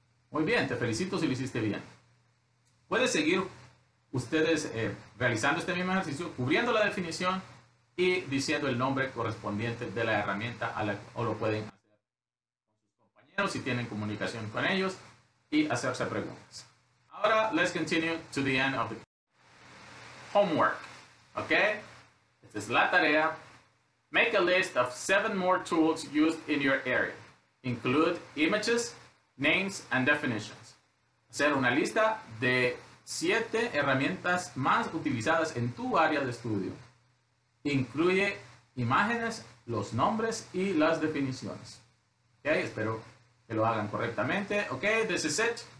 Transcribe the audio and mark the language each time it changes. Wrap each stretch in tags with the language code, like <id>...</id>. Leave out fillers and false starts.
<es>Muy bien, te felicito si lo hiciste bien. Pueden seguir ustedes realizando este mismo ejercicio, cubriendo la definición y diciendo el nombre correspondiente de la herramienta a la, o lo pueden hacer con sus compañeros si tienen comunicación con ellos y hacerse preguntas.</es> <en>Ahora, let's continue to the end of the homework. Okay?</en> <es>Esta es la tarea.</es> <en>Make a list of 7 more tools used in your area. Include images, names, and definitions.</en> <es>Hacer una lista de 7 herramientas más utilizadas en tu área de estudio. Incluye imágenes, los nombres y las definiciones. Okay, espero que lo hagan correctamente.</es> <en>Okay, this is it.</en>